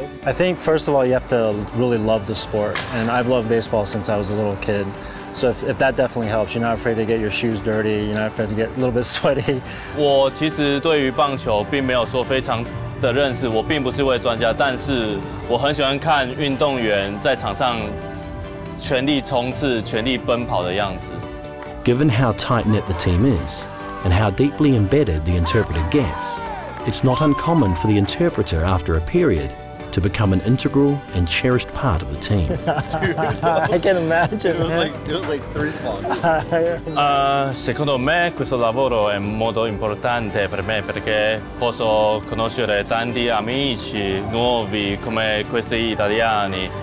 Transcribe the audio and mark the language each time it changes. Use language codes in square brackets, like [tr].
[en] I think first of all, you have to really love the sport, and I've loved baseball since I was a little kid. So if that definitely helps, you're not afraid to get your shoes dirty, you're not afraid to get a little bit sweaty. [zh] 我其实对于棒球并没有说非常的认识，我并不是一位专家，但是我很喜欢看运动员在场上全力冲刺、全力奔跑的样子。Given [en] how tight-knit the team is, and how deeply embedded the interpreter gets, it's not uncommon for the interpreter after a period to become an integral and cherished part of the team. I can imagine. It was like three fun. [it] Secondo me questo lavoro è molto importante per me perché posso conoscere tanti amici nuovi come questi italiani.